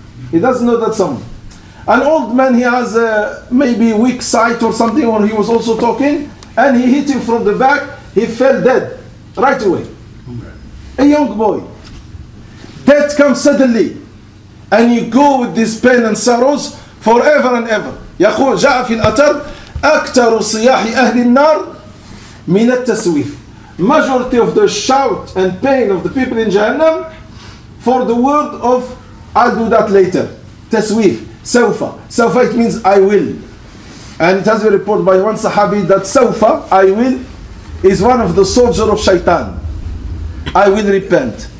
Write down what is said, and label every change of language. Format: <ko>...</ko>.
<en>He doesn't know that someone. An old man, he has maybe weak sight or something, or he was also talking, and he hit him from the back, he fell dead right away. A young boy. Death comes suddenly, and you go with this pain and sorrows forever and ever.</en> <ar>يقول جاء في الأثر أكثر صياح أهل النار من التسويف.</ar> <en>Majority of the shout and pain of the people in Jahannam for the word of I'll do that later. تسويف. Sawfa. Sawfa, it means I will. And it has been reported by one Sahabi that Sawfa, I will, is one of the soldiers of Shaitan. I will repent.</en>